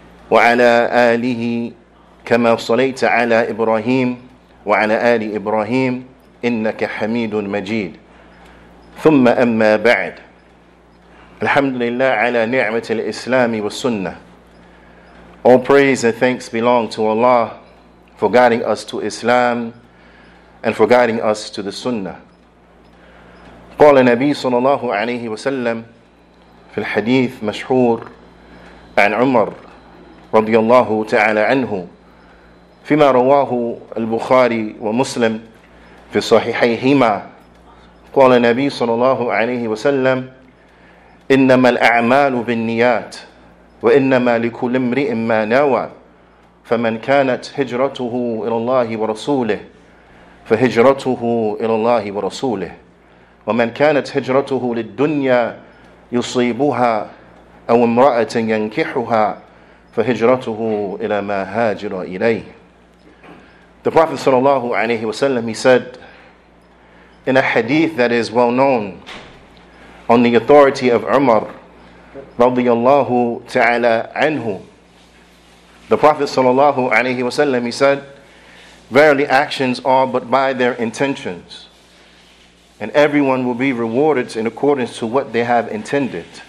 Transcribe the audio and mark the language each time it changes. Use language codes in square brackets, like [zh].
[ar] وعلى آله كما صليت على إبراهيم وعلى آل إبراهيم إنك حميد مجيد ثم أما بعد الحمد لله على نعمة الإسلام والسنة. [en] All praise and thanks belong to Allah for guiding us to Islam and for guiding us to the Sunnah. [ar] قال النبي صلى الله عليه وسلم في الحديث مشهور عن عمر رضي الله تعالى عنه فيما رواه البخاري ومسلم في صحيحيهما قال النبي صلى الله عليه وسلم إنما الأعمال بالنيات وإنما لكل امرئ ما نوى فمن كانت هجرته إلى الله ورسوله فهجرته إلى الله ورسوله ومن كانت هجرته للدنيا يصيبها أو امرأة ينكحها فهجرته إلى ما هاجر إليه. [en] The Prophet sallallahu alayhi wa sallam, he said, in a hadith that is well known on the authority of Umar radiyallahu ta'ala anhu, the Prophet sallallahu alayhi wa sallam, he said, verily actions are but by their intentions, and everyone will be rewarded in accordance to what they have intended.